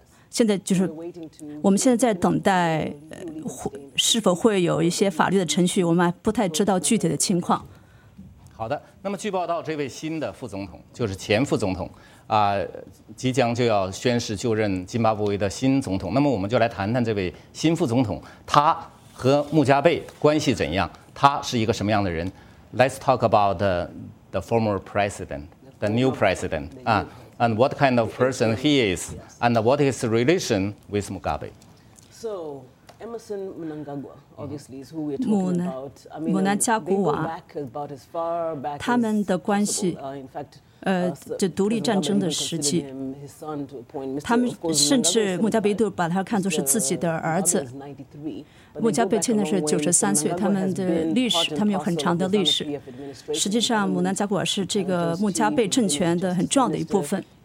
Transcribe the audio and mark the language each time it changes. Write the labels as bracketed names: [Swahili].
[Chinese] 现在就是我们现在在等待，是否会有一些法律的程序，我们还不太知道具体的情况。好的，那么据报道，这位新的副总统就是前副总统即将就要宣誓就任津巴布韦的新总统。那么我们就来谈谈这位新副总统，他和穆加贝关系怎样，他是一个什么样的人。 [English] Let's talk about the former president, the new president, and what kind of person he is, and what his relation with Mugabe. So Emmerson Mnangagwa, obviously, is who we're talking about. I mean, they go back about as far back as possible. In fact, [Chinese] 这独立战争的时期，他们甚至穆加贝都把他看作是自己的儿子。穆加贝现在是93岁，他们的历史，他们有很长的历史。实际上，穆南加古尔是这个穆加贝政权的很重要的一部分。